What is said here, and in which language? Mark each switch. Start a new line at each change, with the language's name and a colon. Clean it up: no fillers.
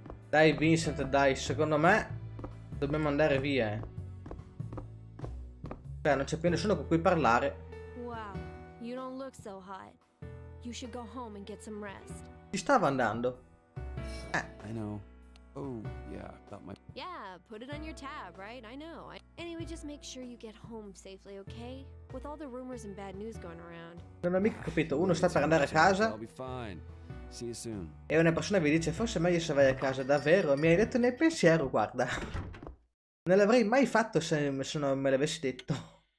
Italian: Dai Vincent, dai, secondo me dobbiamo andare via. Cioè, non c'è più nessuno con cui parlare.
English: Wow, you don't look so hot. You should go home and get some rest.
Italian: Ci stava andando.
English: I know. Oh, yeah, about my... Yeah, put it on your tab, right? I know. Anyway, just make sure you get home safely, okay? With all the rumors and bad news going around.
Italian: Non ho mica capito. Uno sta per andare a casa.
English: I'll be fine. See you soon.
Italian: E una persona vi dice, forse è meglio se vai a casa. Davvero? Mi hai detto nel pensiero, guarda. Non l'avrei mai fatto se non me l'avessi detto.